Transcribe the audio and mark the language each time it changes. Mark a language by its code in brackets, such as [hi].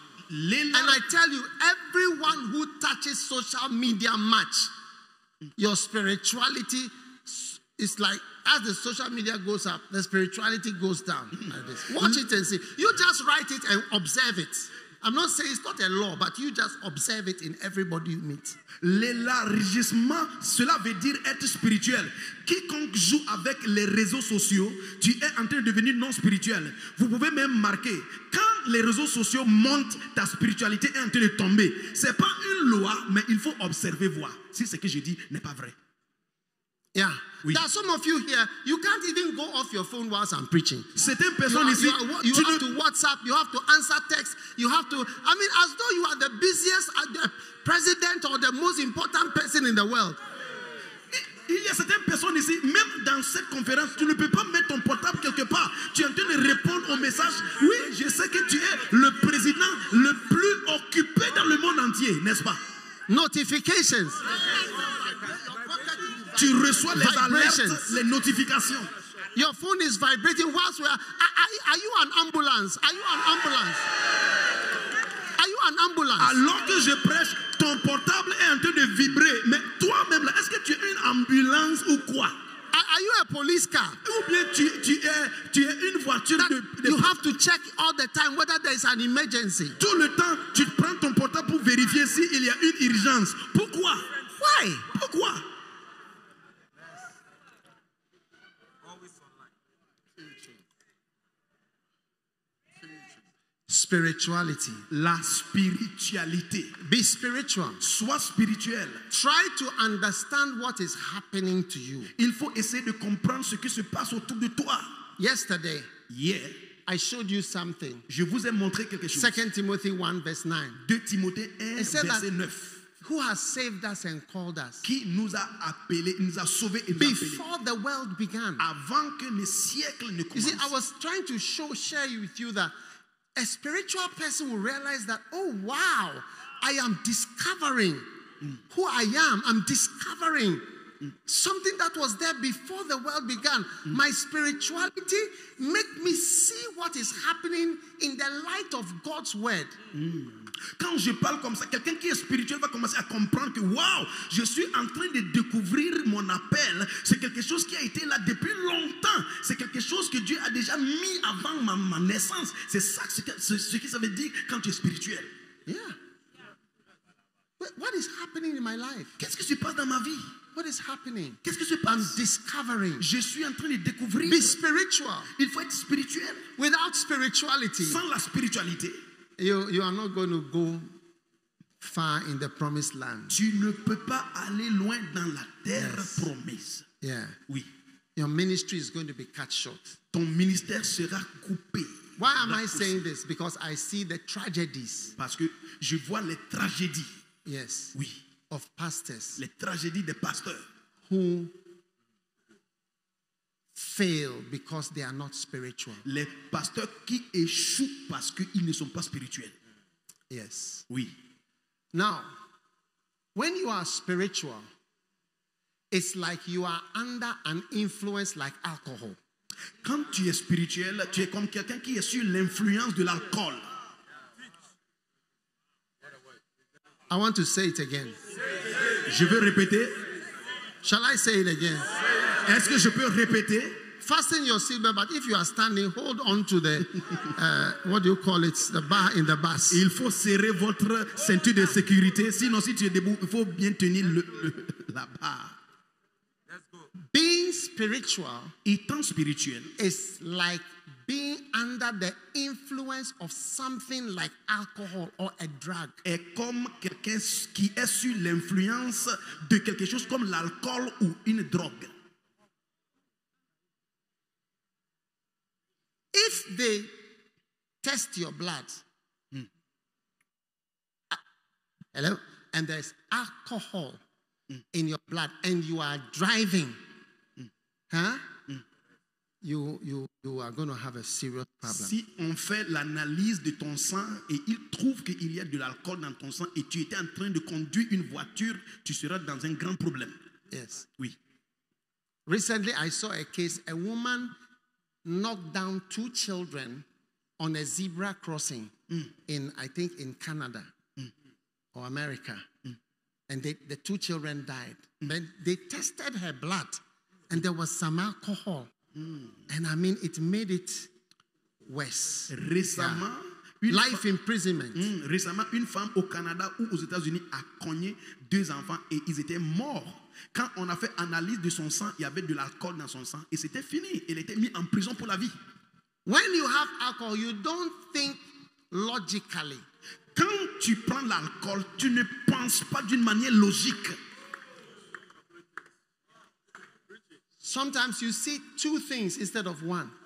[en] And I tell you, everyone who touches social media much, your spirituality is like, as the social media goes up, the spirituality goes down. Watch it and see. You just write it and observe it. I'm not saying it's not a law, but you just observe it in everybody you meet. [fr] L'élargissement, cela veut dire être spirituel. Quiconque joue avec les réseaux sociaux, tu es en train de devenir non spirituel. Vous pouvez même marquer, quand les réseaux sociaux montent, ta spiritualité est en train de tomber. C'est pas une loi, mais il faut observer, voir si ce que je dis n'est pas vrai. Yeah, oui. [en] There are some of you here, you can't even go off your phone whilst I'm preaching. [fr] Certaines personnes ici, [en] you have to WhatsApp, you have to answer text, you have to, as though you are the busiest president or the most important person in the world. [fr] Il y a certaines personnes ici, même dans cette conférence, tu ne peux pas mettre ton portable quelque part. Tu es en train de répondre au message. Oui, je sais que tu es le président le plus occupé dans le monde entier, n'est-ce pas? [en] Notifications. [fr] Tu reçois les alertes, les notifications. [en] Your phone is vibrating whilst we are you an ambulance? Are you an ambulance? Are you an ambulance? [fr] Alors que je prêche, ton portable est en train de vibrer. Mais toi-même, là, est-ce que tu es une ambulance ou quoi? [en] Are you a police car? [fr] Ou bien tu es une voiture [en] that [fr] de [en] you have to check all the time whether there is an emergency. [fr] Tout le temps, tu prends ton portable pour vérifier s'il y a une urgence. Pourquoi? [en] Why? [fr] Pourquoi? [en] Spirituality. [fr] La spiritualité. [en] Be spiritual. [fr] Sois spirituel. [en] Try to understand what is happening to you. [fr] Il faut essayer de comprendre ce qui se passe autour de toi. [en] Yesterday, yeah, I showed you something. [fr] Je vous ai montré quelque chose. [en] 2 Timothy 1, verse 9. [fr] 2 Timothée 1, verset 9. [en] Who has saved us and called us? [fr] Qui nous a appelés, nous a sauvés et [en] before the world began. [fr] Avant que le siècle ne commence. [en] You see, I was trying to share with you that a spiritual person will realize that, oh wow, I am discovering who I am. I'm discovering something that was there before the world began. My spirituality make me see what is happening in the light of God's word. [fr] Quand je parle comme ça, quelqu'un qui est spirituel va commencer à comprendre que wow, je suis en train de découvrir mon appel. C'est quelque chose qui a été là depuis longtemps. C'est quelque chose que Dieu a déjà mis avant ma naissance. C'est ça ce que ça veut dire quand tu es spirituel. Yeah. [en] What is happening in my life? [fr] Qu'est-ce qui se passe dans ma vie? [en] What is happening? [fr] Qu'est-ce que se passe? [en] I'm discovering. [fr] Je suis en train de découvrir. [en] Be spiritual. [fr] Il faut être spirituel. [en] Without spirituality. [fr] Sans la spiritualité. [en] You are not going to go far in the promised land. [fr] Tu ne peux pas aller loin dans la terre promise. Yeah. Oui. [en] Your ministry is going to be cut short. [fr] Ton ministère sera coupé. [en] Why am I saying this? Because I see the tragedies. [fr] Parce que je vois les tragédies. Yes. Oui. [en] Of pastors. [fr] Les tragédies des pasteurs. [en] Who fail because they are not spiritual. [fr] Les pasteurs qui échouent parce qu'ils ne sont pas spirituels. Yes. Oui. [en] Now, when you are spiritual, it's like you are under an influence like alcohol. [fr] Quand tu es spirituel, tu es comme quelqu'un qui est sous l'influence de l'alcool. [en] I want to say it again. [fr] Je veux répéter. [en] Shall I say it again? [fr] Est-ce que je peux répéter? [en] Fasten your seatbelt, but if you are standing, hold on to the, what do you call it, the bar in the bus. [fr] Il faut serrer votre ceinture de sécurité, sinon si tu es debout, il faut bien tenir la barre. [en] Being spiritual, [fr] étant spirituel, [en] is like being under the influence of something like alcohol or a drug. [fr] Est comme quelqu'un qui est sous l'influence de quelque chose comme l'alcool ou une drogue. [en] If they test your blood, hello, and there's alcohol in your blood, and you are driving, you are going to have a serious problem. [fr] Si on fait l'analyse de ton sang et il trouve qu'il y a de l'alcool dans ton sang et tu étais en train de conduire une voiture, tu seras dans un grand problème. Yes. Oui. [en] Recently, I saw a case, a woman knocked down two children on a zebra crossing in, I think, in Canada or America. And the two children died. Then they tested her blood and there was some alcohol. And I mean, it made it worse. [fr] Récemment, [en] life imprisonment. [fr] Récemment, une femme au Canada ou aux États-Unis a cogné deux enfants et ils étaient morts. Quand on a fait analyse de son sang, il y avait de l'alcool dans son sang et c'était fini. Il était mis en prison pour la vie. [en] When you have alcohol, you don't think logically. [fr] Quand tu prends l'alcool, tu ne penses pas d'une manière logique. [en] Sometimes you see two things instead of one.